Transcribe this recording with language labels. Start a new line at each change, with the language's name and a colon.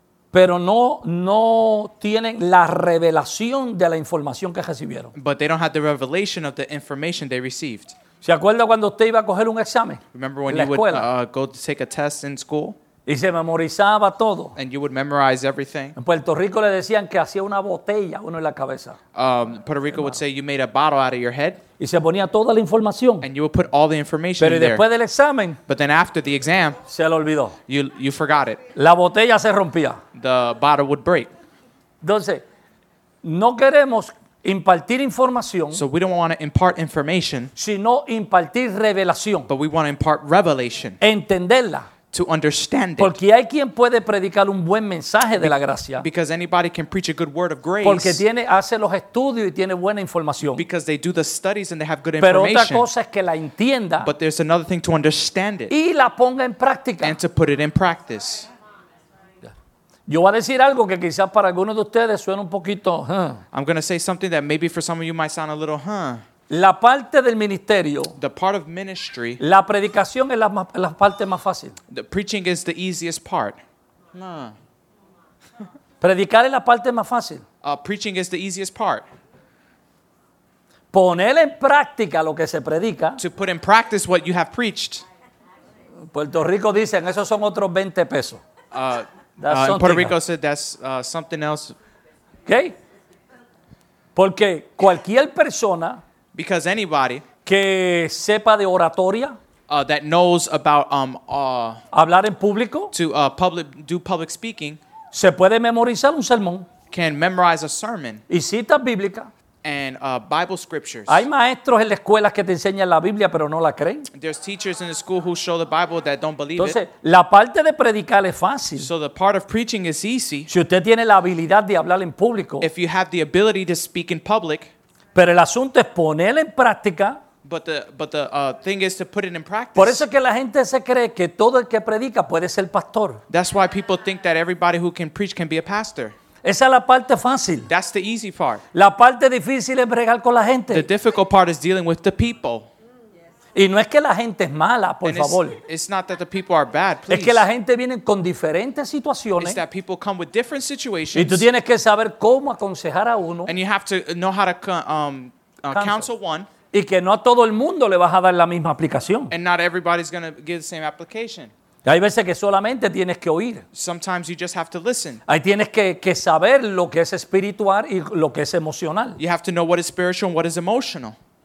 Spanish: Pero no tienen la revelación de la información que recibieron.
English: But they don't have the revelation of the information they received.
Spanish: ¿Se acuerda cuando usted iba a coger un examen?
English: Remember when you would go to take a test in school?
Spanish: Y se memorizaba todo.
English: And you would memorize everything.
Spanish: En Puerto Rico le decían que hacía una botella uno en la cabeza.
English: Puerto Rico would say you made a bottle out of your head.
Spanish: Y se ponía toda la información.
English: And you would put all the information
Spanish: pero
English: in
Spanish: después
English: there.
Spanish: Del examen.
English: But then after the exam.
Spanish: Se lo olvidó.
English: You forgot it.
Spanish: La botella se rompía.
English: The bottle would break.
Spanish: Entonces, no queremos impartir información.
English: So we don't want to impart information.
Spanish: Sino impartir revelación.
English: But we want to impart revelation.
Spanish: Entenderla.
English: To understand it.
Spanish: Porque hay quien puede predicar un buen mensaje de la gracia.
English: Because anybody can preach a good word of grace.
Spanish: Porque hace los estudios y tiene buena información.
English: Because they do the studies and they have good information.
Spanish: Pero otra cosa es que la entienda.
English: But there's another thing to understand it.
Spanish: Y la ponga en práctica.
English: And to put it in practice.
Spanish: Yo voy a decir algo que quizás para algunos de ustedes suene un poquito, huh.
English: I'm going to say something that maybe for some of you might sound a little, huh.
Spanish: La parte del ministerio,
English: the part of ministry,
Spanish: la predicación es la parte más fácil.
English: The preaching is the easiest part. No.
Spanish: Predicar es la parte más fácil.
English: Preaching is the easiest part.
Spanish: Poner en práctica lo que se predica.
English: To put in practice what you have preached.
Spanish: Puerto Rico dicen, esos son otros 20 pesos.
English: Puerto Rico said that's something else.
Spanish: Okay. Porque cualquier persona.
English: Because anybody
Spanish: que sepa de oratoria,
English: that knows about
Spanish: hablar en público,
English: to do public speaking,
Spanish: se puede memorizar un sermón,
English: can memorize a sermon,
Spanish: y citas bíblicas,
English: and Bible scriptures.
Spanish: Hay maestros en las escuelas que te enseñan la Biblia, pero no la creen.
English: There's teachers in the school who show the Bible that don't believe.
Spanish: Entonces,
English: it.
Spanish: Entonces, la parte de predicar es fácil.
English: So the part of preaching is easy.
Spanish: Si usted tiene la habilidad de hablar en público,
English: if you have the ability to speak in public.
Spanish: Pero el asunto es ponerlo en práctica.
English: But the thing is to put it in practice.
Spanish: Por eso es que la gente se cree que todo el que predica puede ser pastor.
English: That's why people think that everybody who can preach can be a pastor.
Spanish: Esa es la parte fácil.
English: That's the easy part.
Spanish: La parte difícil es bregar con la gente.
English: The difficult part is dealing with the people.
Spanish: Y no es que la gente es mala, por favor.
English: It's not that the people are bad, please.
Spanish: Es que la gente viene con diferentes situaciones.
English: It's that people come with different situations.
Spanish: Y tú tienes que saber cómo aconsejar a uno.
English: And you have to know how to counsel one.
Spanish: Y que no a todo el mundo le vas a dar la misma aplicación.
English: And not everybody's going to give the same application.
Spanish: Y hay veces que solamente tienes que oír.
English: Sometimes you just have to listen.
Spanish: Ahí tienes que saber lo que es espiritual y lo que es emocional.
English: You have to know what is spiritual and what is emotional.